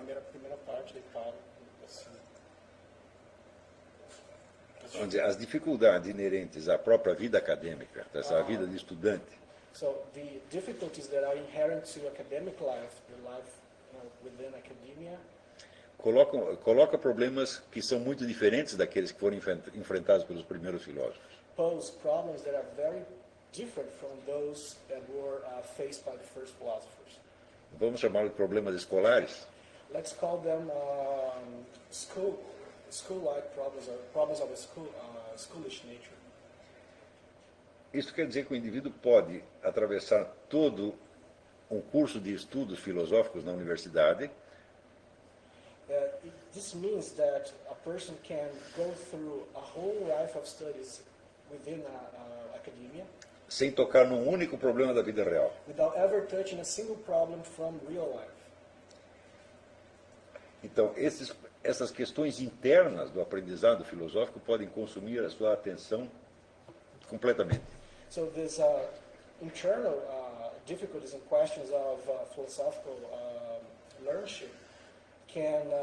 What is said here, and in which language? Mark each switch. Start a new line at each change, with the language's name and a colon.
Portuguese: Primeira parte de fala assim. As dificuldades inerentes à própria vida acadêmica, dessa vida de estudante.
English: So the difficulties that are inherent to academic life, the life within academia.
Portuguese: Coloca problemas que são muito diferentes daqueles que foram enfrentados pelos primeiros filósofos.
English: Pose problems that are very different from those that were faced by the first philosophers.
Portuguese: Vamos chamar de problemas escolares.
English: Let's call them school-like problems or problems of a school, schoolish nature.
Portuguese: Isso quer dizer que o indivíduo pode atravessar todo um curso de estudos filosóficos na universidade.
English: This means that a person can go through a whole life of studies within academia
Portuguese: Sem tocar num único problema da vida real.
English: without ever touching a single problem from real life.
Portuguese: Então, essas questões internas do aprendizado filosófico podem consumir a sua atenção completamente.
English: So these internal difficulties and questions of philosophical learnership can